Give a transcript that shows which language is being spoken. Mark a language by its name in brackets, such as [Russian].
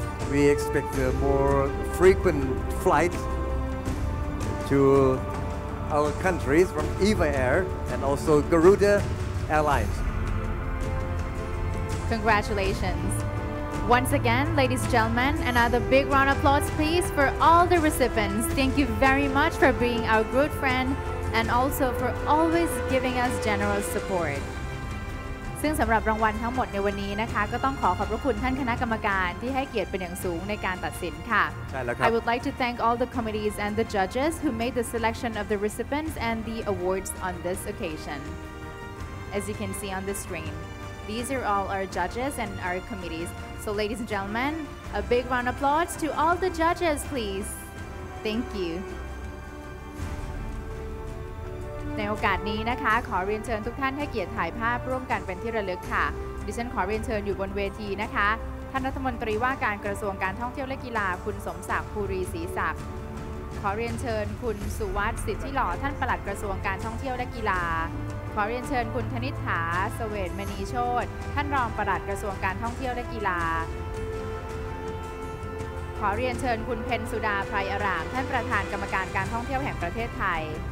[English] We expect a more frequent flight to our countries from Eva Air and also Garuda Airlines. Congratulations. Once again, ladies and gentlemen, another big round of applause, please, for all the recipients. Thank you very much for being our good friend and also for always giving us generous support. [Thai] ซึ่งสำหรับรางวัลทั้งหมดในวันนี้นะคะก็ต้องขอขอบพระคุณท่านคณะกรรมการที่ให้เกียรติเป็นอย่างสูงในการตัดสินค่ะ ใช่แล้วครับ [English] I would like to thank all the committees and the judges who made the selection of the recipients and the awards on this occasion. As you can see on the screen, these are all our judges and our committees. So ladies and gentlemen, a big round of applause to all the judges, please. Thank you. [Thai] ในโอกาสนี้นะคะขอเรียนเชิญทุกท่านให้เกียรติถ่ายภาพร่วมกันเป็นที่ระลึกค่ะดิฉันขอเรียนเชิญอยู่บนเวทีนะคะท่านรัฐมนตรีว่าการกระทรวงการท่องเที่ยวและกีฬาคุณสมศักดิ์ภูรีศรีศักดิ์ขอเรียนเชิญคุณสุวัฒน์สิทธิหล่อท่านปลัดกระทรวงการท่องเที่ยวและกีฬาขอเรียนเชิญคุณธนิษฐาเสวตมณีโชติท่านรองปลัดกระทรวงการท่องเที่ยวและกีฬาขอเรียนเชิญคุณเพ็ญสุดาไพรอารามท่านประธานกรรมการการท่องเที่ยวแห่งประเทศไทย